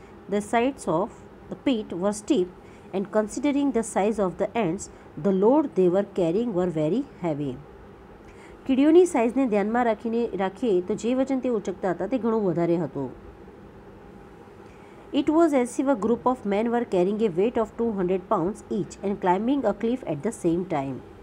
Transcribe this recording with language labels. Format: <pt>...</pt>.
<en>The sides of the pit were steep and considering the size of the ants, the load they were carrying were very heavy.</en> <gu>કીડીઓની સાઈઝને ધ્યાનમાં રાખીએ તો જે વજન તે ઉચકતા હતા તે ઘણું વધારે હતું.</gu> <en>It was as if a group of men were carrying a weight of 200 pounds each and climbing a cliff at the same time.</en>